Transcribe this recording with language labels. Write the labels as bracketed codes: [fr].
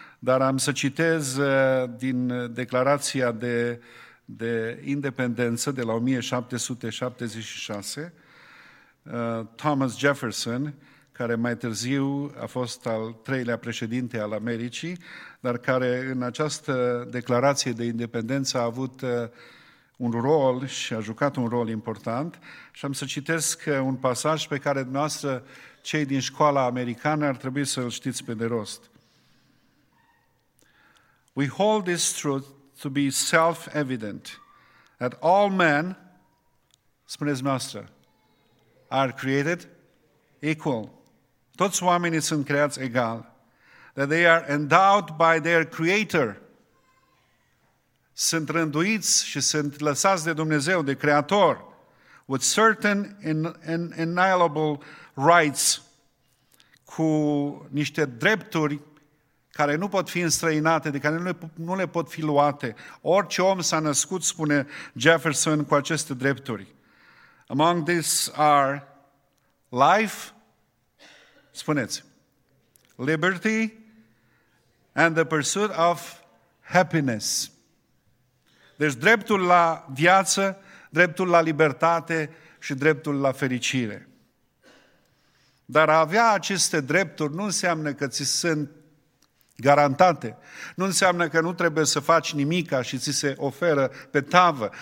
[ro] dar am să citez din declarația de independență de la 1776, Thomas Jefferson, care mai târziu a fost al treilea președinte al Americii, dar care în această declarație de independență a avut un rol și a jucat un rol important. Și am să citesc un pasaj pe care dumneavoastră, cei din școala americană, ar trebui să-l știți pe de rost. [en] We hold this truth to be self-evident, that all men, [ro] spuneți dumneavoastră, [en] are created equal. [ro] Toți oamenii sunt creați egal. [en] That they are endowed by their creator. [ro] Sunt rânduiți și sunt lăsați de Dumnezeu, de Creator, [en] with certain inalienable rights, [ro] cu niște drepturi care nu pot fi înstrăinate, de care nu le pot fi luate. Orice om s-a născut, spune Jefferson, cu aceste drepturi. [en] Among these are life, [ro] spuneți, [en] liberty and the pursuit of happiness. [ro] Deci dreptul la viață, dreptul la libertate și dreptul la fericire. Dar a avea aceste drepturi nu înseamnă că ți sunt garantate. Nu înseamnă că nu trebuie să faci nimica și ți se oferă pe tavă.